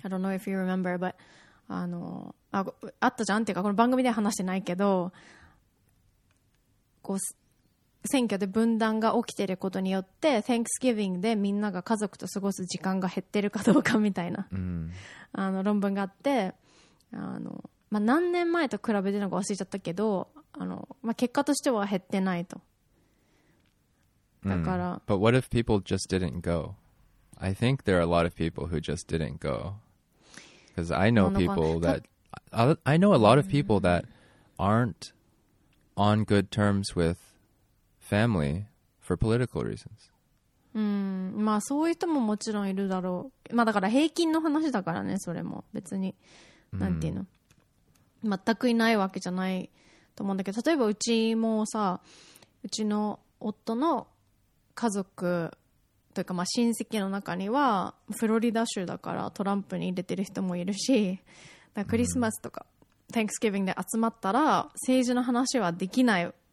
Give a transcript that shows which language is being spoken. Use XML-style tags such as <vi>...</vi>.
<en>I don't know if you remember, but</en> <ja>あったじゃんっていうかこの番組では話してないけど、こう選挙で分断が起きてることによって Thanksgiving でみんなが家族と過ごす時間が減ってるかどうかみたいな、うん、あの論文があって、あの、まあ、何年前と比べてるのか忘れちゃったけど、あの、まあ、結果としては減ってないと。だから、うん、</ja> <en>But what if people just didn't go? I think there are a lot of people who just didn't go. Because I know people that I know a lot of people that aren't on good terms withfamily for political reasons.</en> <ja>まあそういう人ももちろんいるだろう。まあだから平均の話だからね、それも別に、なんていうの、全くいないわけじゃないと思うんだけど、例えばうちもさ、うちの夫の家族というかまあ親戚の中にはフロリダ州だからトランプに入れてる人もいるし、だクリスマスとか Thanksgiving で集まったら政治の話はできない。</ja>